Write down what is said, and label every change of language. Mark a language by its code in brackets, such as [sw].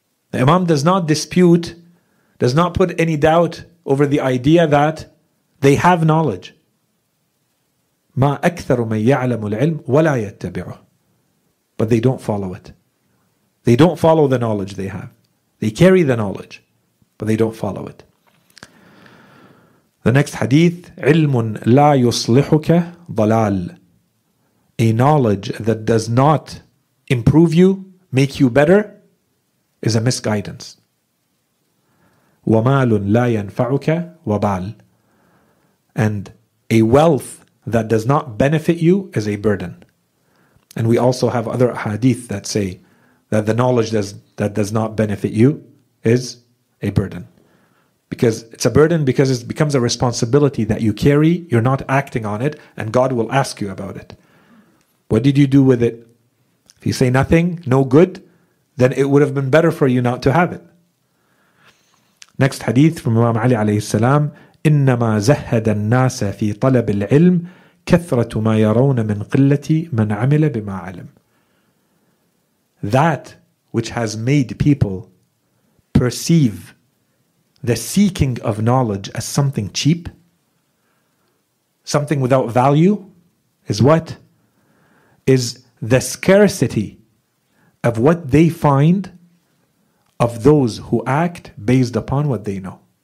[en] The Imam does not dispute, does not put any doubt over the idea that they have knowledge. [ar] مَا أَكْثَرُ مَنْ يَعْلَمُ الْعِلْمُ وَلَا يَتَّبِعُهُ. [en] But they don't follow it. They don't follow the knowledge they have. They carry the knowledge, but they don't follow it. The next hadith, [ar] عِلْمٌ لَا يُصْلِحُكَ ضَلَالٌ. [en] A knowledge that does not improve you, make you better, is a misguidance. [ar] وَمَالٌ لَا يَنْفَعُكَ وَبَالٌ. [en] And a wealth that does not benefit you is a burden. And we also have other hadith that say that the knowledge that does not benefit you is a burden. Because it's a burden because it becomes a responsibility that you carry, you're not acting on it, and God will ask you about it. What did you do with it? If you say nothing, no good, then it would have been better for you not to have it. Next hadith from Imam Ali alayhi salam, [ar] إِنَّمَا زَهَّدَ النَّاسَ فِي طَلَبِ الْعِلْمِ كَثْرَةُ مَا يَرَوْنَ مِنْ قِلَّةِ مَنْ عَمِلَ بِمَا عَلِمْ. [en] That which has made people perceive the seeking of knowledge as something cheap, something without value, is what? Is the scarcity of what they find of those who act based upon what they know.